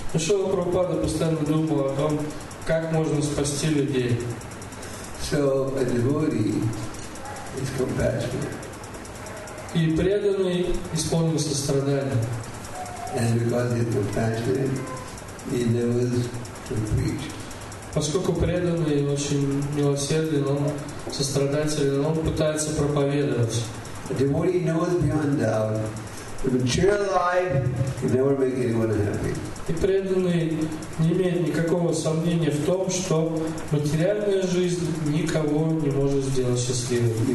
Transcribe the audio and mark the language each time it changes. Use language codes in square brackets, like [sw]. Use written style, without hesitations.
[ru] Шрила Прабхупада постоянно думал о том, как можно спасти людей. [en] So a devotee is compassionate. [ru] И преданный исполнен сострадания. [en] And because he's compassionate, he endeavors to preach. [ru] Поскольку преданный очень милосерден, он сострадательный, он пытается проповедовать. [en] A devotee knows beyond doubt that material life can never make anyone happy. [ru] И преданный не имеет никакого сомнения в том, что материальная жизнь никого не может сделать счастливым.